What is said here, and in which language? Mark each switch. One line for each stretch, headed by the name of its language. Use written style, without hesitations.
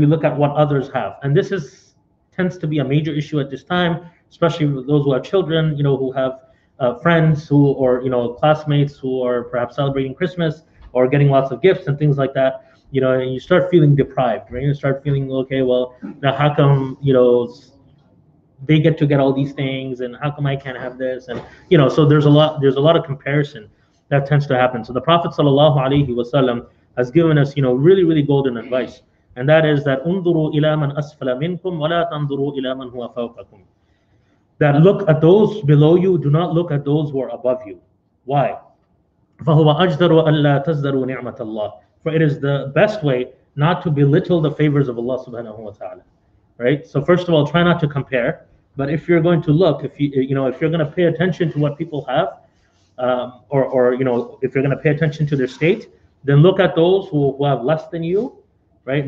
English: We look at what others have. And this is tends to be a major issue at this time, especially with those who have children, you know, who have friends who, or you know, classmates who are perhaps celebrating Christmas or getting lots of gifts and things like that, you know, and you start feeling deprived, right? You start feeling, okay, well, now how come, you know, they get to get all these things and how come I can't have this? And, you know, so there's a lot of comparison that tends to happen. So the Prophet sallallahu alaihi wasallam has given us, you know, really, really golden advice. And that is that
Arabic: انظروا إلى من أسفل منكم ولا تنظروا إلى من هو فوقكم.
English: That look at those below you, do not look at those who are above you.
Arabic: Why? فَهُوَ أَجْدَرُ أَلَّا تَزْدَرُوا نِعْمَةَ اللَّهِ.
English: For it is the best way not to belittle the favors of Allah subhanahu wa ta'ala. Right? So first of all, try not to compare. But if you're going to look, if you're going to pay attention to what people have, if you're going to pay attention to their state, then look at those who have less than you, right?